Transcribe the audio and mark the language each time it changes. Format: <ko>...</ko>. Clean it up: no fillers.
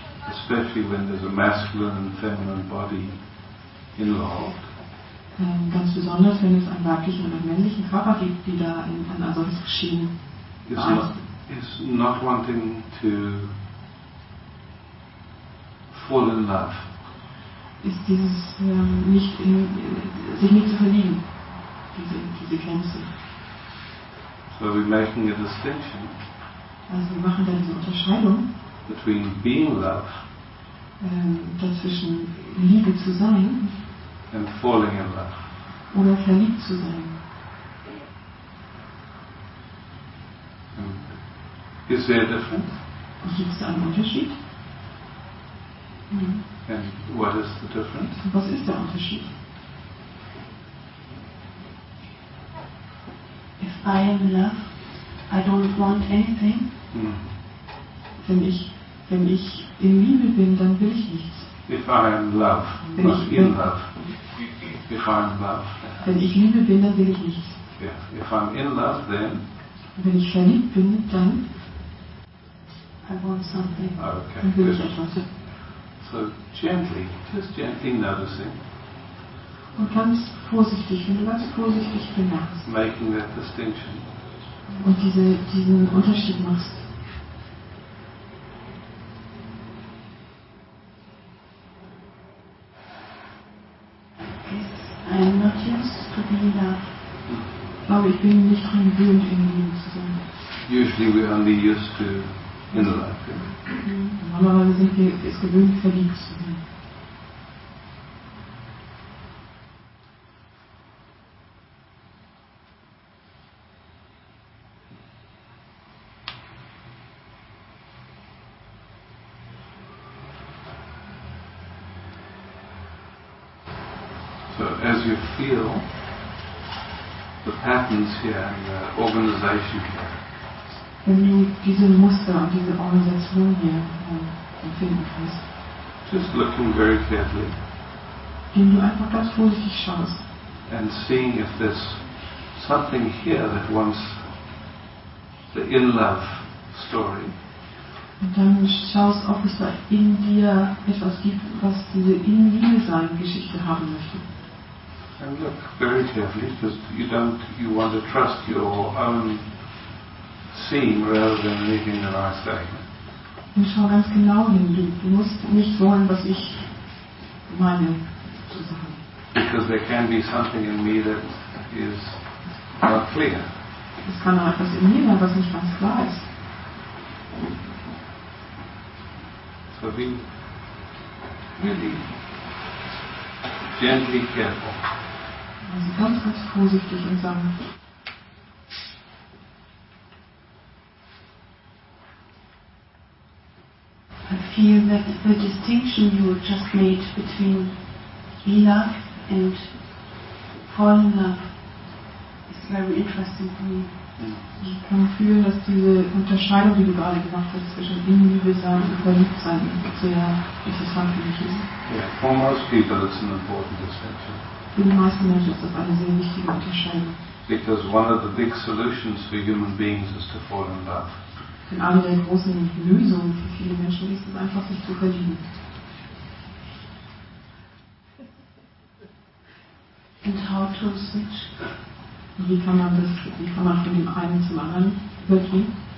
<en>Especially when there's a masculine and feminine body involved.</en> <de>Ganz besonders, wenn es einen weiblichen und einen männlichen Körper gibt, die da in ein solches Geschehen</de> <en>is not wanting to fall in love.</en> <de>Ist dieses sich nicht zu verlieben, diese Grenze.</de> <en>So we're making a distinction.</en> <de>Also wir machen dann diese Unterscheidung.</de> <en>Between being love.</en> <de>Dazwischen Liebe zu sein.</de> <en>And falling in love.</en> <de>Oder verliebt zu sein.</de> <en>Is there a difference?</en> <de>Gibt es da einen Unterschied?</de> <en>Mhm. And what is the difference?</en> <de>Was ist der Unterschied?</de> <en>If I am love, I don't want anything. Mhm.</en> <de>Wenn ich in Liebe bin, dann will ich nichts.</de> <en>If I am love,</en> <de>wenn ich</de> <en>in love. If I am love.</en> <de>Wenn ich Liebe bin, dann will ich nichts.</de> <en>Yeah. If I'm in love, then.</en> <de>Wenn ich verliebt bin, dann.</de> <en>I want something. Okay, good. So gently, just gently noticing.</en> <de>Und ganz vorsichtig, wenn du ganz vorsichtig bemerkst.</de> <en>Making that distinction.</en> <de>Und diesen Unterschied machst.</de> <en>I'm not used to be that.</en> <de>Aber ich bin nicht dran gewöhnt, in Liebe zu sein.</de> <en>Usually we're only used to in the life. Yeah. Mm-hmm.</en> <de>Normalerweise sind wir es gewöhnt, verliebt zu sein.</de> <en>As you feel the patterns here and the organization here.</en> <de>Wenn du diese Muster und diese Organisation hier empfinden kannst.</de> <en>Just looking very carefully.</en> <de>Wenn du einfach ganz vorsichtig schaust.</de> <en>And seeing if there's something here that wants the in love story.</en> <de>Und dann schaust, ob es da in dir etwas gibt, was diese in Liebe sein Geschichte haben möchte.</de> <en>And look very carefully, because you want to trust your own seeing rather than making an eye statement.</en> <de>Und schau ganz genau hin. Du musst nicht wollen, was ich meine zu sagen.</de> <en>Because there can be something in me that is not clear.</en> <de>Es kann auch etwas in mir sein, was nicht ganz klar ist.</de> <en>So be really gently careful.</en> <de>Also ganz, ganz vorsichtig und sanft.</de> <en>I feel that the distinction you just made between love and falling love is very interesting for me.</en> <de>Ich kann fühlen, dass diese Unterscheidung, die du gerade gemacht hast, zwischen Inliebe sein und verliebt sein, sehr interessant für mich ist.</de> <en>Yeah, for most people it's an important distinction.</en> <de>Für die meisten Menschen ist das eine sehr wichtige Unterscheidung.</de> <en>Because one of the big solutions for human beings is to fall in love.</en> <de>Denn eine der großen Lösungen für viele Menschen ist es einfach, sich zu verlieben.</de> <en>And how to switch?</en> <de>Wie kann man von dem einen zum anderen übergehen?</de>